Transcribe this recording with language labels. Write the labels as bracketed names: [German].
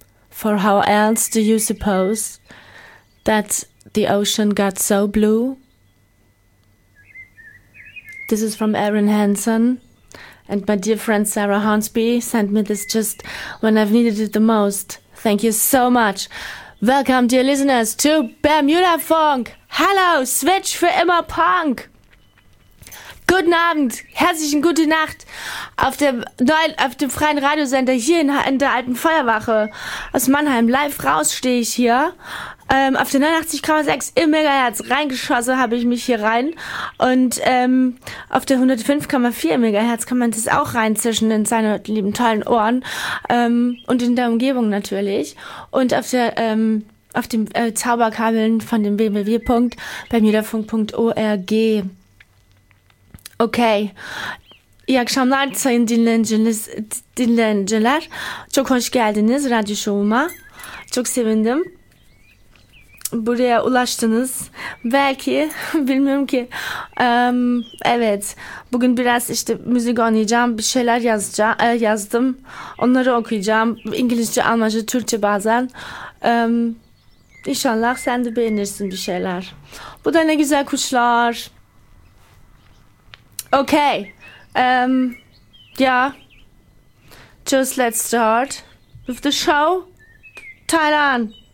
[English] For how else do you suppose that the ocean got so blue? This is from Aaron Hansen, and my dear friend Sarah Hornsby sent me this just when I've needed it the most. Thank you so much. Welcome, dear listeners, to Bermuda Funk. [German] Hello, Switch für immer Punk. Guten Abend, herzlichen gute Nacht auf dem freien Radiosender hier in der alten Feuerwache aus Mannheim. Live raus stehe ich hier auf der 89,6 im Megahertz. Reingeschossen habe ich mich hier rein. Und auf der 105,4 im Megahertz kann man das auch reinzischen in seine lieben tollen Ohren und in der Umgebung natürlich. Und auf den Zauberkabeln von dem www.bermudafunk.org. [Turkish] Okay, jak sam nalca dinlenciler, çok hoş geldiniz radyo şovuma, çok sevindim, buraya ulaştınız, belki, bilmiyorum ki, evet, bugün biraz işte müzik oynayacağım, bir şeyler yazdım, onları okuyacağım, İngilizce, Almanca, Türkçe bazen, inşallah sen de beğenirsin bir şeyler, bu da ne güzel kuşlar. [English] Okay, yeah, just let's start with the show, Thailand.